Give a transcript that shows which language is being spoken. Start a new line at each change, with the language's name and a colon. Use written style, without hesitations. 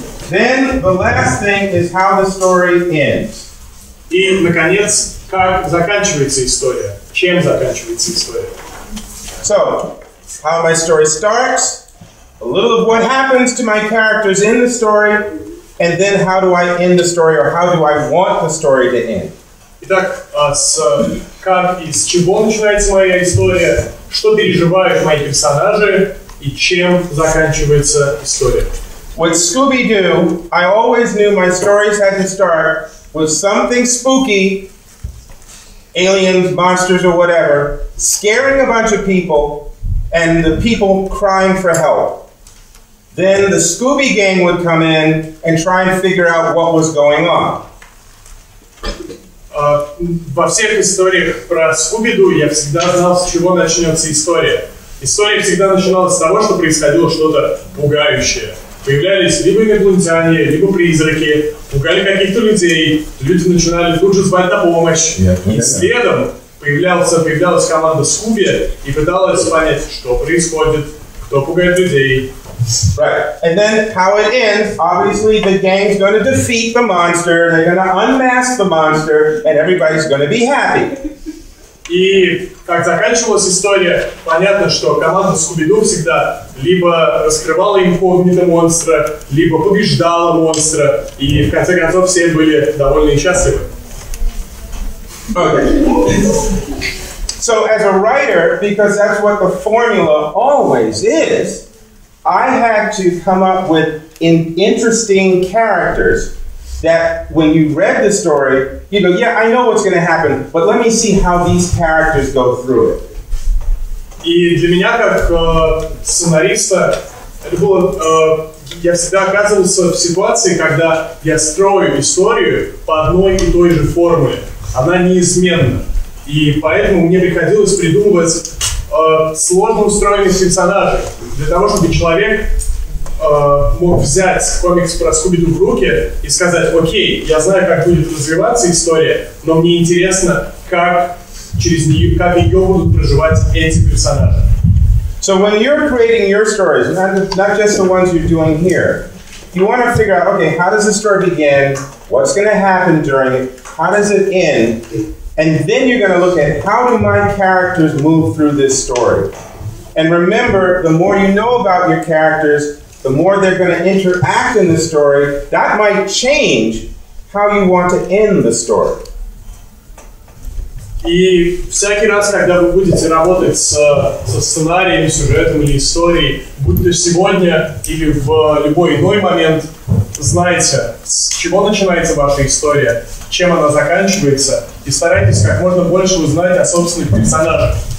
English: Then the last thing is how the story ends.
Russian: И, наконец, как заканчивается история? Чем заканчивается история?
English: So, how my story starts, a little of what happens to my characters in the story, and then how do I end the story, or how do I want the story to end?
Russian: Итак, как и с чего начинается моя история, что переживают мои персонажи и чем заканчивается история.
English: With Scooby-Doo, I always knew my stories had to start with something spooky, aliens, monsters, or whatever, scaring a bunch of people, and the people crying for help. Then the Scooby gang would come in and try and figure out what was going on.
Russian: Во всех историях про Скуби-Ду я всегда знал, с чего начнется история. История всегда начиналась с того, что происходило что-то пугающее. Появлялись либо инопланетяне, либо призраки, пугали каких-то людей, люди начинали тут же звать на помощь. И следом появлялась команда Скуби и пыталась понять, что происходит, кто пугает людей.
English: Right. And then how it ends, obviously the gang's going to defeat the monster, they're going to unmask the monster, and everybody's going to be happy.
Russian: И как заканчивалась история, понятно, что команда Скуби-Ду всегда либо раскрывала инкогнито монстра, либо побеждала монстра, и в конце концов все были довольны и счастливы.
English: Okay. So as a writer, because that's what the formula always is, I had to come up with interesting characters that when you read the story, you know, yeah, I know what's going to happen, but let me see how these characters go through it.
Russian: И для меня, как сценариста, это было, я всегда оказывался в ситуации, когда я строю историю по одной и той же формуле. Она неизменна. И поэтому мне приходилось придумывать сложно устроенные персонажи. Для того, чтобы человек мог взять комикс про Скуби-Ду в руки и сказать, окей, я знаю, как будет развиваться история, но мне интересно, как через нее, как ее будут проживать эти персонажи.
English: So when you're creating your stories, not just the ones you're doing here, you want to figure out, okay, how does the story begin, what's going to happen during it, how does it end, and then you're going to look at how do my characters move through this story. And remember, the more you know about your characters, the more they're going to interact in the story, that might change how you want to end the story.
Russian: И всякий раз, когда вы будете работать со сценарием, сюжетом или историей, будь то сегодня или в любой иной момент, знайте, с чего начинается ваша история, чем она заканчивается, и старайтесь как можно больше узнать о собственных персонажах.